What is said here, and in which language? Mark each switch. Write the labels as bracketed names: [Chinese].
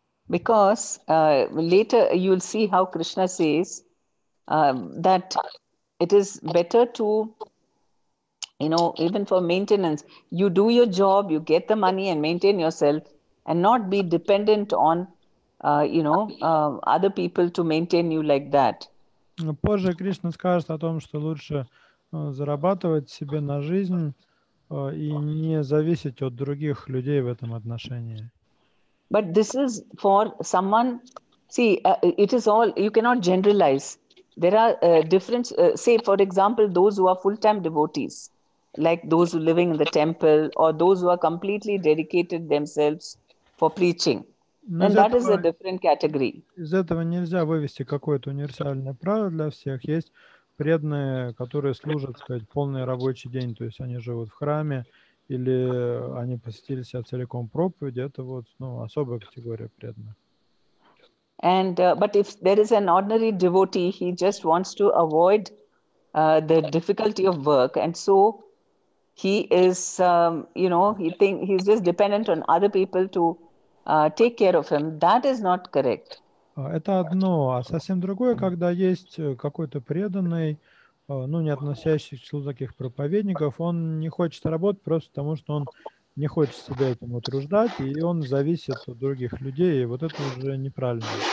[English] Because later you'll see how Krishna says that it is better to, you know, even for maintenance, you do your job, you get the money and maintain yourself and not be dependent on, other people to maintain you like that. [Russian] Но позже Кришна скажет о том, что лучше зарабатывать себе на жизнь и не зависеть от других людей в этом отношении. [English] But this is for someone. See, it is all. You cannot generalize. There are different. Say, for example, those who are full-time devotees, like those who are living in the temple, or those who are completely dedicated themselves for preaching. [Russian] Но [English] and that [Russian] этого, [English] is a different category. [Russian] Из этого нельзя вывести какое-то универсальное правило для всех. Есть преданные, которые служат, сказать, полный рабочий день, то есть они живут в храме, или они посетили себя целиком проповеди. Это вот, ну, особая категория преданных. [English] And but if there is an ordinary devotee, he just wants to avoid the difficulty of work, and so he is, he's just dependent on other people to take care of him. That is not correct. [Russian] Это одно, а совсем другое, когда есть какой-то преданный, ну, не относящийся к числу таких проповедников, он не хочет работать просто потому, что он не хочет себя этим утруждать, и он зависит от других людей, и вот это уже неправильно.